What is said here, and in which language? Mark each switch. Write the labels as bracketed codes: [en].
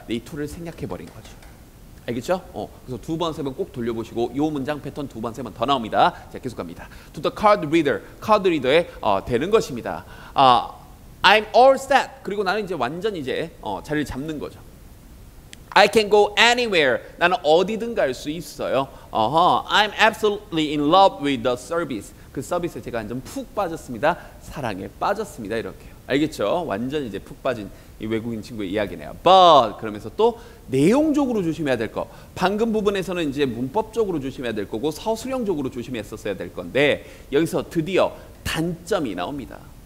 [ko] 이 to를 생략해버린 거죠. 알겠죠? 그래서 두 번, 세 번 꼭 돌려보시고 이 문장 패턴 두 번, 세 번 더 나옵니다. 자, 계속 갑니다. To the card reader. 카드 리더에 되는 것입니다. [en] I'm all set. [ko] 그리고 나는 이제 완전 이제 자리를 잡는 거죠. [en] I can go anywhere. [ko] 나는 어디든 갈 수 있어요. [en] I'm absolutely in love with the service. [ko] 그 서비스에 제가 완전 푹 빠졌습니다. 사랑에 빠졌습니다. 이렇게. 알겠죠? 완전 이제 푹 빠진 이 외국인 친구의 이야기네요. But 그러면서 또 내용적으로 조심해야 될 거. 방금 부분에서는 이제 문법적으로 조심해야 될 거고 서술형적으로 조심했었어야 될 건데 여기서 드디어 단점이 나옵니다.